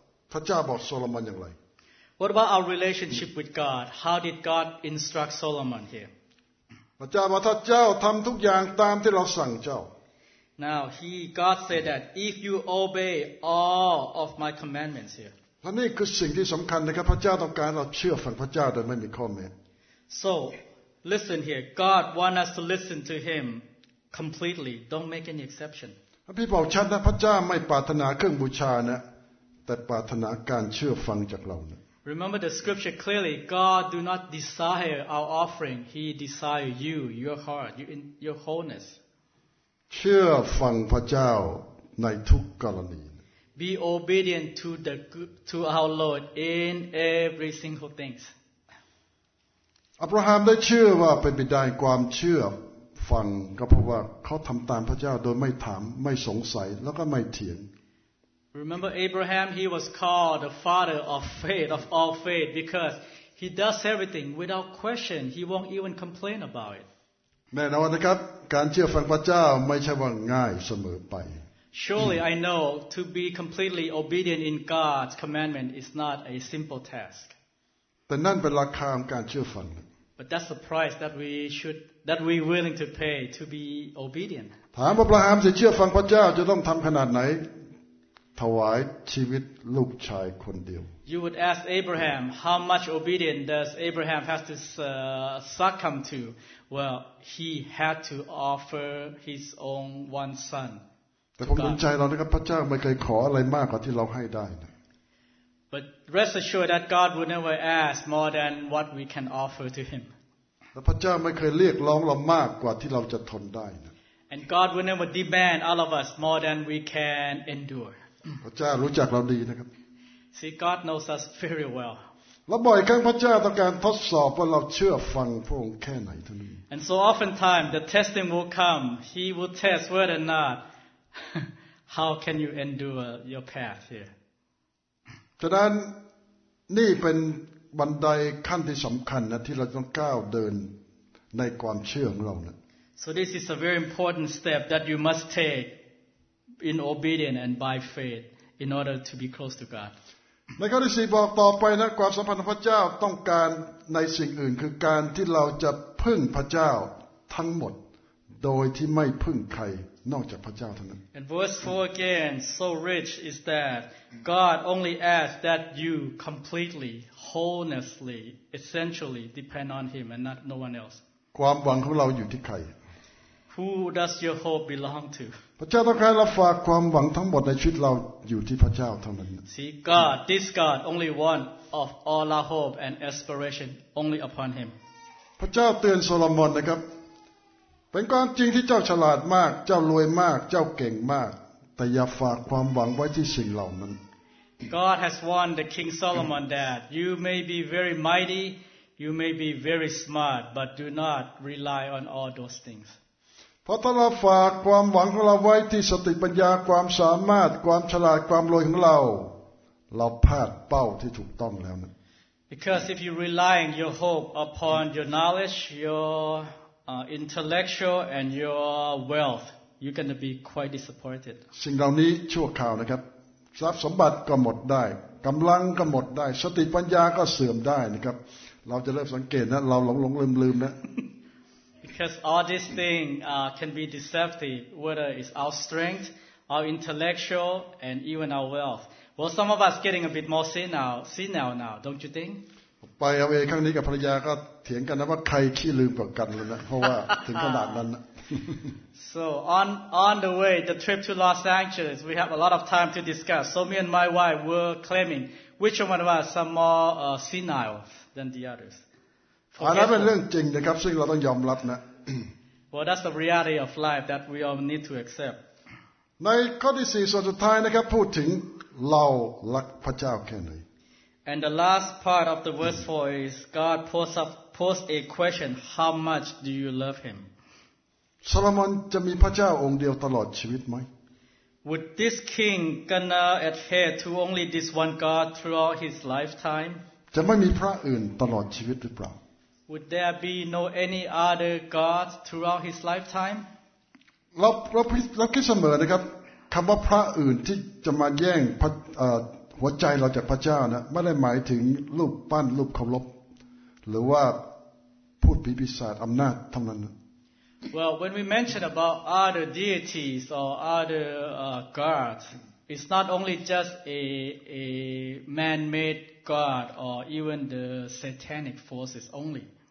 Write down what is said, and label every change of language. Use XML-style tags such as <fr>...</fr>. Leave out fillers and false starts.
<en>What about our relationship with God? How did God instruct Solomon here? Now, God said that if you obey all of my commandments here.</en> <th>และนี่คือสิ่งที่สำคัญนะครับพระเจ้าต้องการเราเชื่อฟังพระเจ้าโดยไม่มีข้อแม้</th> <en>So. Listen here. God wants us to listen to Him completely. Don't make any exception.</en> <th>พี่บอกฉันนะพระเจ้าไม่ปรารถนาเครื่องบูชานะแต่ปรารถนาการเชื่อฟังจากเรานะ</th> <en>Remember the scripture clearly. God do not desire our offering. He desire you, your heart, your wholeness.</en> <th>เชื่อฟังพระเจ้า ในทุกกรณี</th> <en>Be obedient to the to our Lord in every single things.</en> <th>อับราฮัมได้เชื่อว่าเป็นบิดาแห่งความเชื่อฟังก็เพราะว่าเขาทำตามพระเจ้าโดยไม่ถามไม่สงสัยแล้วก็ไม่เถียง</th> <en>Remember Abraham, he was called the father of faith of all faith because he does everything without question. He won't even complain about it.</en> <th>แน่นอนนะครับการเชื่อฟังพระเจ้าไม่ใช่ว่าง่ายเสมอไป</th> <en>Surely I know to be completely obedient in God's commandment is not a simple task.</en> <th>แต่นั่นเป็นราคาของการเชื่อฟัง</th> <en>But that's the price that we should that we willing to pay to be obedient.</en> <th>ถามอับราฮัมจะเชื่อฟังพระเจ้าจะต้องทำขนาดไหนถวายชีวิตลูกชายคนเดียว</th> <en>You would ask Abraham how much obedience does Abraham has to succumb to? Well, he had to offer his own one son.</en> <th>แต่ผมสนใจเรานะครับพระเจ้าไม่เคยขออะไรมากกว่าที่เราให้ได้</th> <en>But rest assured that God would never ask more than what we can offer to him.</en> <th>และพระเจ้าไม่เคยเรียกร้องเรามากกว่าที่เราจะทนได้</th> <en>And God would never demand all of us more than we can endure.</en> <th>พระเจ้ารู้จักเราดีนะครับ</th> <en>See God knows us very well.</en> <th>และบ่อยครั้งพระเจ้าต้องการทดสอบว่าเราเชื่อฟังพระองค์แค่ไหนเท่านั้น</th> <en>And so often time the testing will come. He will test whether or not how can you endure your path here.</en> <th>ฉะนั้นนี่เป็นบันไดขั้นที่สำคัญนะที่เราต้องก้าวเดินในความเชื่อของเรานะ</th> <en>So this is a very important step that you must takeIn obedience and by faith, in order to be close to God.</en> <th>ในข้อที่สี่บอกต่อไปนะความสัมพันธ์กับพระเจ้าต้องการในสิ่งอื่นคือการที่เราจะพึ่งพระเจ้าทั้งหมดโดยที่ไม่พึ่งใครนอกจากพระเจ้าเท่านั้น</th> <en>And verse 4 again, so rich is that God only asks that you completely, wholeheartedly, essentially depend on Him and not no one else.</en> <th>ความหวังของเราอยู่ที่ใคร</th> <en>Who does your hope belong to?</en> <th>พระเจ้าต้องการเราฝากความหวังทั้งหมดในชีวิตเราอยู่ที่พระเจ้าเท่านั้น</th> <en>See God, this God, only one of all our hope and aspiration, only upon Him.</en> <th>พระเจ้าเตือนโซโลมอนนะครับเป็นความจริงที่เจ้าฉลาดมากเจ้ารวยมากเจ้าเก่งมากแต่อย่าฝากความหวังไว้ที่สิ่งเหล่านั้น</th> <en>God has warned the King Solomon that you may be very mighty, you may be very smart, but do not rely on all those things.</en> <th>เพราะถ้าเราฝากความหวังของเราไว้ที่สติปัญญาความสามารถความฉลาดความรวยของเราพลาดเป้าที่ถูกต้องแล้วนะ</th> <en>Because if you relying your hope upon your knowledge, your intellectual and your wealth, you're going to be quite disappointed.</en> <th>สิ่งเหล่านี้ชั่วคราวนะครับทรัพย์สมบัติก็หมดได้กำลังก็หมดได้สติปัญญาก็เสื่อมได้นะครับเราจะเริ่มสังเกตนะเราหลงๆลืมนะ</th> <en>Because all these things can be deceptive, whether it's our strength, our intellectual, and even our wealth. Well, some of us getting a bit more senile now, don't you think?</en> <th>ไปเอาเองครั้งนี้กับภรรยาก็เถียงกันนะว่าใครขี้ลืมกว่ากันเลยนะเพราะว่าถึงขนาดนั้น</th> <en>So on the way, the trip to Los Angeles, we have a lot of time to discuss. So me and my wife were claiming which one of us are more senile than the others.</en> <th>อันนั้นเป็นเรื่องจริงนะครับซึ่งเราต้องยอมรับนะ</th> <en>Well that's the reality of life that we all need to accept</en> <th>ในข้อที่4ส่วนสุดท้ายนะครับพูดถึงเรารักพระเจ้าแค่ไหน</th> <en>And the last part of the verse 4 is God posed a question how much do you love him</en> <th>โซโลมอนจะมีพระเจ้าองค์เดียวตลอดชีวิตไหม</th> <en>Would this king gonna adhere to only this one God throughout his lifetime</en> <th>จะไม่มีพระอื่นตลอดชีวิตหรือเปล่า</th> <en>Would there be no any other God throughout his lifetime?</en> <th>เราคิดเสมอนะครับคำว่าพระอื่นที่จะมาแย่งหัวใจเราจากพระเจ้านะไม่ได้หมายถึงรูปปั้นรูปเคารพหรือว่าพูดผีปีศาจอำนาจเท่านั้น</th> <en>Well, when we mention about other deities or other gods, it's not only just a man-made. God or even the satanic forces only.</en>